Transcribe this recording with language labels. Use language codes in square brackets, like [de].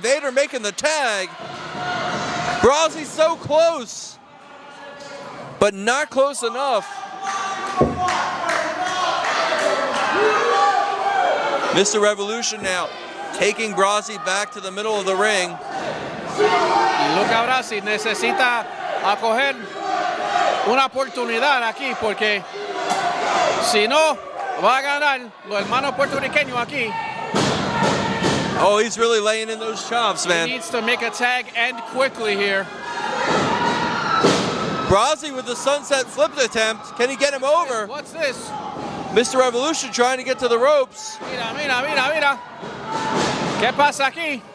[en] Vader making the tag. Brazzi so close, but not close enough. Mr. Revolution now taking Brazzi back to the middle of the ring. [es] Luca Brazzi necesita acoger una oportunidad aquí porque si no va a ganar los hermanos puertorriqueños aquí. [en] Oh, he's really laying in those chops, man. He needs to make a tag and quickly here. Brazzi with the sunset flip attempt. Can he get him over? What's this? Mr. Revolution trying to get to the ropes. [es] Mira, mira, mira, mira. ¿Qué pasa aquí?